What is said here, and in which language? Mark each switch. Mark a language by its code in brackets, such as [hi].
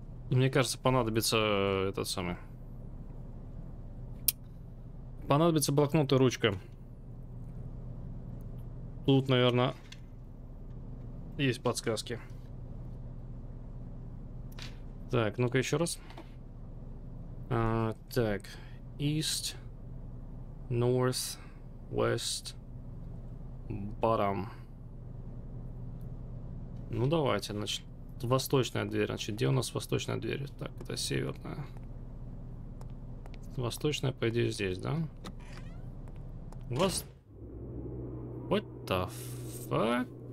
[ru] Мне кажется, понадобится этот самый. Понадобится блокнот и ручка. Тут, наверное, есть подсказки. Так, ну-ка еще раз. Так, [en] east, north, west, bottom. [ru] Ну давайте, значит, восточная дверь. Значит, где у нас восточная дверь? Так, это северная. Восточная, по идее, здесь, да? [en] What the fuck?